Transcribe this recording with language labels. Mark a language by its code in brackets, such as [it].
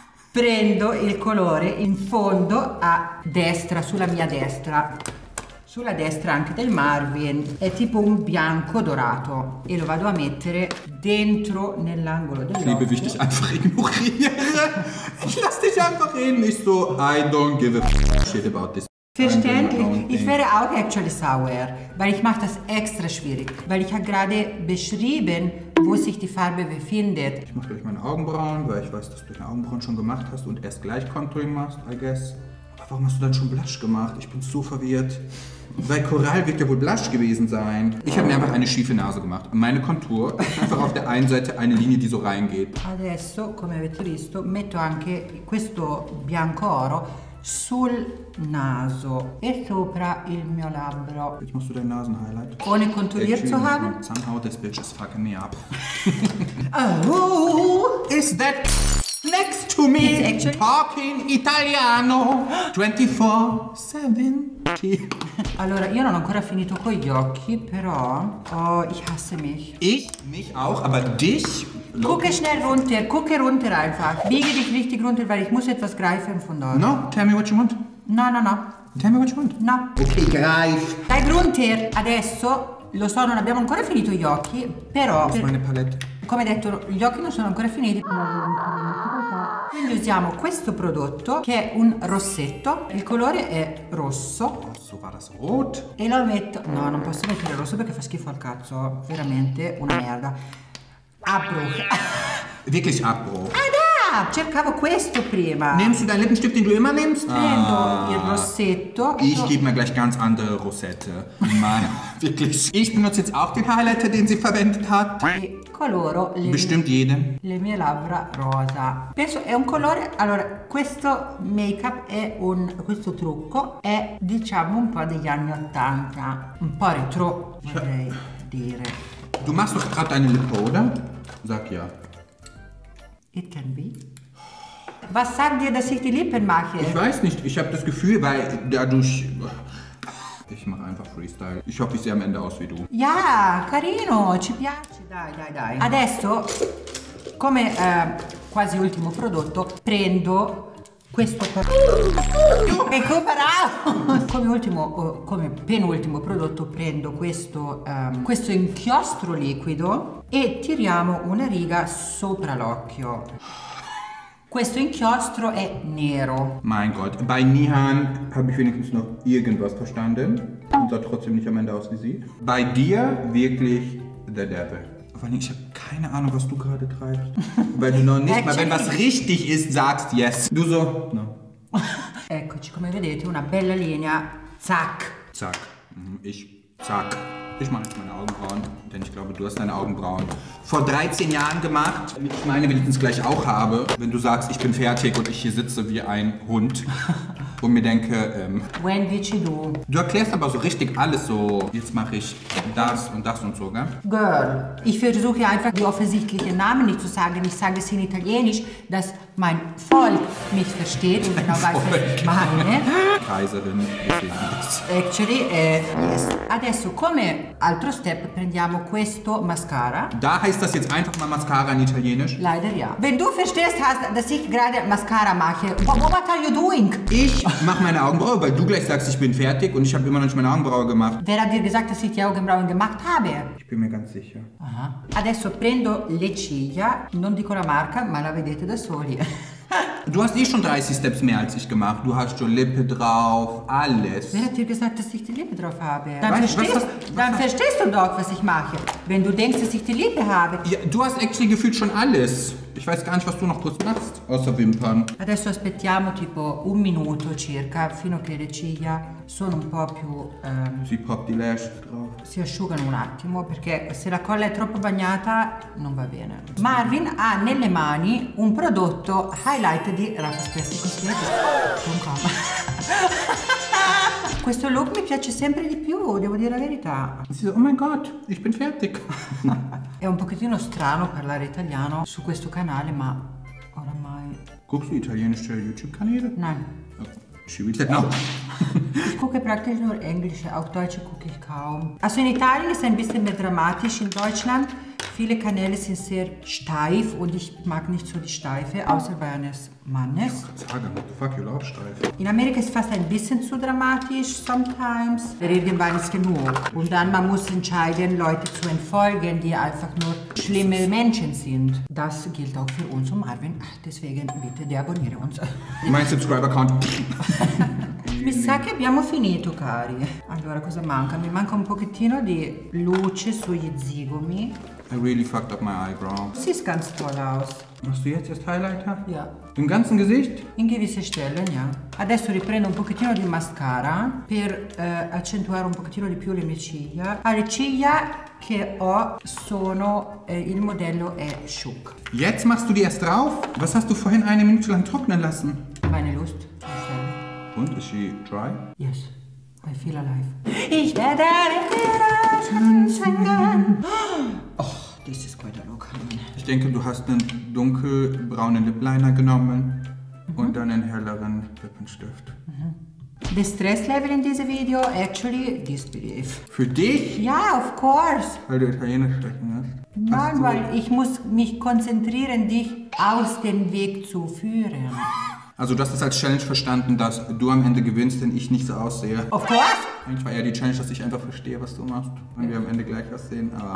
[it] Prendo il colore in fondo a destra, sulla mia destra. Sulla destra anche del Marvin. È tipo un bianco dorato. E lo vado a mettere dentro nell'angolo dell'occhio. [de] Ich liebe, wie ich dich einfach ignoriere. Ich lass dich einfach hin. Nicht so, [en] I don't give a shit about this. [de] Verständlich. Ich wäre auch actually sour. Weil ich mache das extra schwierig. Weil ich habe gerade beschrieben, wo sich die Farbe befindet. Ich mache gleich meine Augenbrauen, weil ich weiß, dass du deine Augenbrauen schon gemacht hast und erst gleich Contouring machst, [en] I guess. [de] Warum hast du dann schon Blush gemacht? Ich bin so verwirrt. Weil Coral wird ja wohl Blush gewesen sein. Ich habe mir einfach eine schiefe Nase gemacht. Meine Kontur, einfach auf der einen Seite eine Linie, die so reingeht. [it] Adesso, come avete visto, metto anche questo bianco oro sul naso e sopra il mio labbro. [de] Jetzt machst du dein Nasenhighlight. Ohne konturiert zu haben. [en] Somehow this bitch is fucking me up. Oh, is that next to me talking italiano 24/7? [it] Allora, io non ho ancora finito con gli occhi, però [de] ich hasse mich. Ich? Mich auch, aber dich? Gucke schnell runter, gucke runter einfach. Biege dich richtig runter, weil ich muss etwas greifen von dort. [en] No, tell me what you want. No, no, no. Tell me what you want. No. [de] Okay, greif. [it] Dai [de] runter, [it] adesso. Lo so, non abbiamo ancora finito gli occhi, però... [de] Meine Palette. [it] Come detto, gli occhi non sono ancora finiti. Quindi usiamo questo prodotto, che è un rossetto. Il colore è rosso. Rosso, [de] war das rot? [it] E lo metto... No, non posso mettere rosso perché fa schifo al cazzo. Veramente una merda. Abbruch. [de] Wirklich Abbruch. [it] Ah, da! Cercavo questo prima. [de] Nimmst du dein Lippenstift, den du immer nimmst? [it] Prendo il rossetto. [de] Ich gebe mir gleich ganz andere Rosette. Mann, wirklich. Ich benutze jetzt auch den Highlighter, den sie verwendet hat. [it] Coloro le mie labbra rosa. Penso è un colore, allora questo make up è un, questo trucco è diciamo un po' degli anni 80, un po' retro vorrei dire. [de] Tu machst doch gerade deine Lippe, oder? Sag ja. [en] It can be. [de] Was sagt dir, dass ich die Lippen mache? Ich weiß nicht, ich habe das Gefühl, weil dadurch... Ich mache einfach Freestyle. Ich hoffe, ich sehe am Ende aus wie du. [it] Ja, carino, ci piace. Dai, dai, dai. Adesso, come quasi ultimo prodotto, prendo questo. Ecco, bravo! Come ultimo, come penultimo prodotto, prendo questo, questo inchiostro liquido e tiriamo una riga sopra l'occhio. Questo inchiostro è nero. [de] Mein Gott, bei Nihan habe ich wenigstens noch irgendwas verstanden und sah trotzdem nicht am Ende aus wie sie. Bei dir wirklich der Devil. Vor allem, ich habe keine Ahnung, was du gerade treibst. Weil du noch nicht mal, wenn was richtig ist, sagst yes. Du so, no. [it] Eccoci, come vedete, una bella linea. [de] Zack. Zack. Ich, zack. Ich mache jetzt meine Augenbrauen, denn ich glaube, du hast deine Augenbrauen vor 13 Jahren gemacht. Damit ich meine wenigstens gleich auch habe, wenn du sagst, ich bin fertig und ich hier sitze wie ein Hund und mir denke, [en] When did you do? [de] Du erklärst aber so richtig alles so, jetzt mache ich das und das und so, gell? Girl, ich versuche einfach die offensichtlichen Namen nicht zu sagen. Ich sage es in Italienisch, dass mein Volk mich versteht und genau weiß, was ich meine. Kaiserin des Landes. [en] Actually, yes. [it] Adesso, come altro step, prendiamo questo mascara. [de] Da heißt das jetzt einfach mal Mascara in Italienisch? Leider ja. Wenn du verstehst, hast, dass ich gerade Mascara mache, [en] what are you doing? [de] Ich mache meine Augenbraue, weil du gleich sagst, ich bin fertig und ich habe immer noch nicht meine Augenbraue gemacht. Wer hat dir gesagt, dass ich die Augenbrauen gemacht habe? Ich bin mir ganz sicher. Aha. [it] Adesso prendo le ciglia, non dico la marca, ma la vedete da soli. [de] Du hast eh schon 30 Steps mehr als ich gemacht. Du hast schon Lippe drauf, alles. Wer hat dir gesagt, dass ich die Lippe drauf habe? Dann, verstehst du doch, was ich mache. Wenn du denkst, dass ich die Lippe habe. Ja, du hast actually gefühlt schon alles. Ich weiß gar nicht, was du noch kurz machst, außer Wimpern. [it] Adesso aspettiamo tipo un minuto circa, fino che le ciglia sono un po' più... [de] Si poppt die Lashes drauf. [it] Si asciugano un attimo, perché se la colla è troppo bagnata, non va bene. Marvin ha nelle mani un prodotto highlight di Rafa Spessi. Così è con calma. Questo look mi piace sempre di più, devo dire la verità. [en] Oh my god, [de] ich bin fertig. [it] È un pochettino strano parlare italiano su questo canale, ma oramai... [de] Guckst du italienisch [it] sul [de] YouTube-Kanale? Nein. [it] Ci vuoi dire no? [de] Ich gucke praktisch nur Englisch, auch Deutsch gucke ich kaum. Also in Italien ist ein bisschen mehr dramatisch, in Deutschland viele Kanäle sind sehr steif und ich mag nicht so die Steife, außer bei eines Mannes. Ich kann sagen, [en] what the fuck, you love [de] steif. In Amerika ist es fast ein bisschen zu dramatisch, sometimes. Weil irgendwann ist genug. Und dann, man muss entscheiden, Leute zu entfolgen, die einfach nur schlimme Menschen sind. Das gilt auch für uns und Marvin. Deswegen bitte deabonniere uns. Mein Subscriber-Account. [it] Mi sa che abbiamo finito, cari. Allora, cosa manca? Mi manca un pochettino di luce sugli zigomi. [en] I really fucked up my eyebrow. [de] Du siehst ganz toll aus. Machst du jetzt das Highlighter? Ja. Im ganzen Gesicht? In gewisse Stellen, ja. [it] Adesso riprendo un pochettino di mascara per accentuare un pochettino di più le mie ciglia. Alle ciglia che ho sono, il modello è Schuck. [de] Jetzt machst du die erst drauf? Was hast du vorhin eine Minute lang trocknen lassen? Meine Lust. Und, [en] is she dry? Yes, I feel alive. [de] Ich werde tanzen. [en] Oh, this is quite a look. [de] Ich denke, du hast einen dunkelbraunen Lip Liner genommen und dann einen helleren Lippenstift. [en] The stress level in this video, actually, disbelief. [de] Für dich? Ja, [en] of course. [de] Weil du Italienisch sprechen musst. Nein, weil ich muss mich konzentrieren, dich aus dem Weg zu führen. Also du hast das als Challenge verstanden, dass du am Ende gewinnst, denn ich nicht so aussehe. [en] Of course! [de] Eigentlich war eher die Challenge, dass ich einfach verstehe, was du machst. Und wir am Ende gleich was sehen, aber...